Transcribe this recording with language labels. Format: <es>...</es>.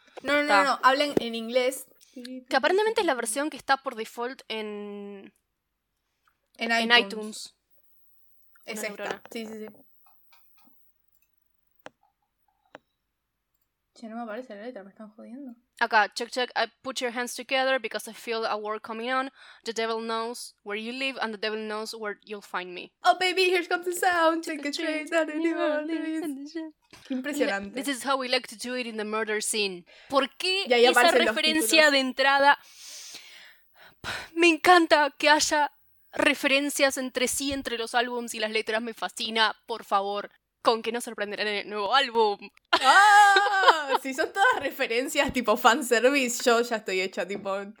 <es>No, hablan en inglés. Que aparentemente es la versión que está por default en... En iTunes. Es esta. Neurona. Sí. Che, no me aparece la letra, me están jodiendo. Acá,</es> <en>check, I put your hands together because I feel a war coming on. The devil knows where you live and the devil knows where you'll find me. Oh baby, here comes the sound, take a chance,</en> <es>impresionante.</es> <en>This is how we like to do it in the murder scene.</en> <es>¿Por qué esa referencia de entrada? Me encanta que haya referencias entre sí, entre los álbums y las letras, me fascina, por favor. Con que no sorprenderán en el nuevo álbum. ¡Ah! Si son todas referencias tipo fanservice, yo ya estoy hecha, tipo...</es>